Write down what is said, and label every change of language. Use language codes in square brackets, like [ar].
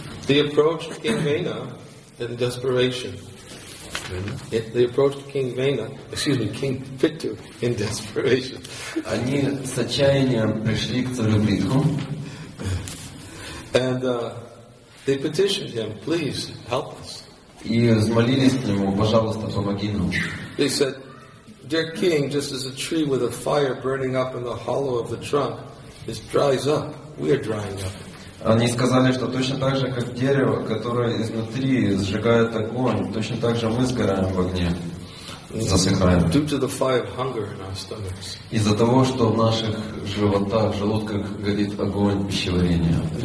[en] They approached King Vena in desperation. They approached King Vena, King Pitu, in desperation. [ru] Они с отчаянием пришли к царю Притху. [en] And they petitioned him, please help us. [ru] И взмолились к нему, пожалуйста, помоги нам. [en] They said, dear King, just as a tree with a fire burning up in the hollow of the trunk, it dries up, we are drying up. [ru] Они сказали, что точно так же, как дерево, которое изнутри сжигает огонь, точно так же мы сгораем в огне, засыхаем. Из-за того, что в наших животах, в желудках горит огонь пищеварения.